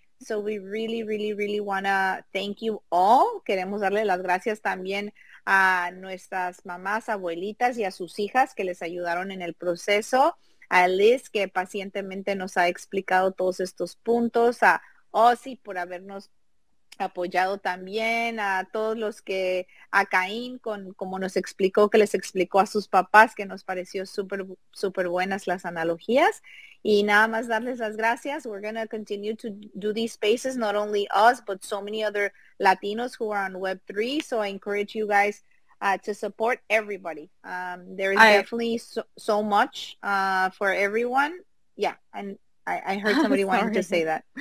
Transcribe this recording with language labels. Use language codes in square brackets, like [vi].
[en] So we really, really, really want to thank you all. [es] Queremos darle las gracias también a nuestras mamás, abuelitas y a sus hijas que les ayudaron en el proceso, a Liz que pacientemente nos ha explicado todos estos puntos, a Ozzy por habernos apoyado también, a todos los que, a Caín, como nos explicó, que les explicó a sus papás, que nos pareció súper, súper buenas las analogías, y nada más darles las gracias. [en] We're going to continue to do these spaces, not only us, but so many other Latinos who are on Web3, so I encourage you guys to support everybody. There is definitely so much for everyone. Yeah, and I heard somebody wanted to say that.